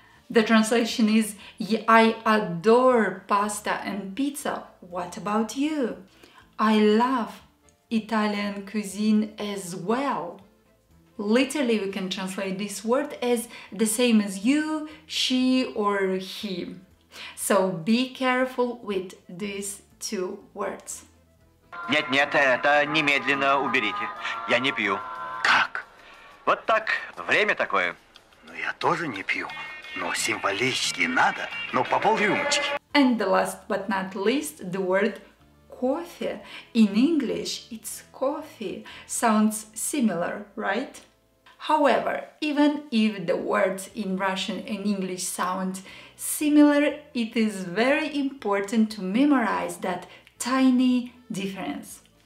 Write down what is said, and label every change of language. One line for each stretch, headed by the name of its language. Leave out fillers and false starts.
English: The translation is I adore pasta and pizza. What about you? I love Italian cuisine as well. Literally, we can translate this word as the same as you, she, or he. So be careful with these two words.
Russian: Нет, нет, это немедленно уберите. Я не пью. Как? Вот так, время такое. Ну, я тоже не пью. Но символически надо, но по полрюмочки.
English: And the last but not least, the word coffee. In English, it's coffee. Sounds similar, right? However, even if the words in Russian and English sound similar, it is very important to memorize that tiny difference.